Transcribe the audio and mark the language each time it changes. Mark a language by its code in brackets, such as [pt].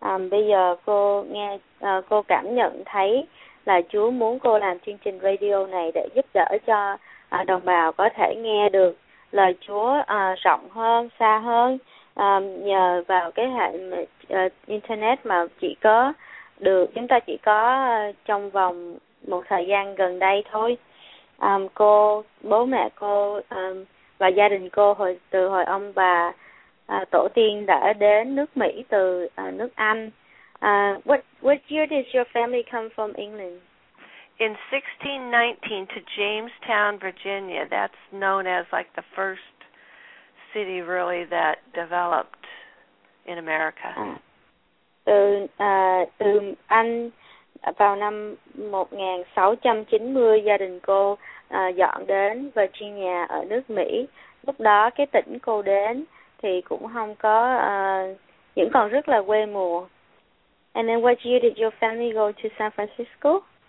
[vi] Bây giờ cô nghe cô cảm nhận thấy là chú muốn cô làm chương trình radio này để giúp đỡ cho đồng bào có thể nghe được lời Chúa rộng hơn, xa hơn, nhờ vào cái hệ internet mà chúng ta chỉ có trong vòng một thời gian gần đây thôi. Cô, bố mẹ cô và gia đình cô từ hồi ông bà tổ tiên đã đến nước Mỹ từ nước Anh. [en] What year did your family come from England? In 1619 to Jamestown, Virginia. That's known as like the first city really that developed in America. [vi] Từ Anh vào năm 1690 gia đình cô dọn đến Virginia ở nước Mỹ. Lúc đó cái tỉnh cô đến thì cũng không có vẫn còn rất là quê mùa. [en] And then what year did your family go to San Francisco?